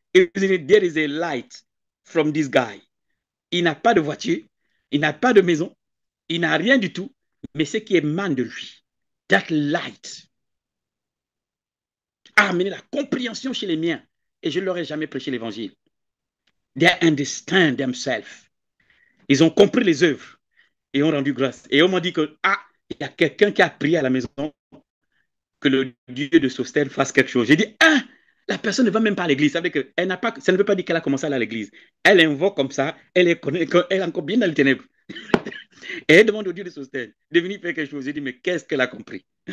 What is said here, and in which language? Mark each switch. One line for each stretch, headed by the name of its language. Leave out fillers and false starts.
French: Et vous avez dit,
English: there is a light from this guy.
French: Il n'a pas de voiture, il n'a pas de maison, il n'a rien du tout, mais ce qui émane de lui,
English: that light,
French: a amené la compréhension chez les miens. Et je ne leur ai jamais prêché l'évangile.
English: They understand themselves.
French: Ils ont compris les œuvres et ont rendu grâce. Et on m'a dit que, ah, il y a quelqu'un qui a prié à la maison que le Dieu de Sostène fasse quelque chose. J'ai dit, ah! La personne ne va même pas à l'église. Ça veut dire qu'elle n'a pas, ça ne veut pas dire qu'elle a commencé à aller à l'église. Elle invoque comme ça, elle est connue, elle est encore bien dans les ténèbres. Et elle demande au Dieu de Sostène de venir faire quelque chose. Je dis, mais qu'est-ce qu'elle a compris?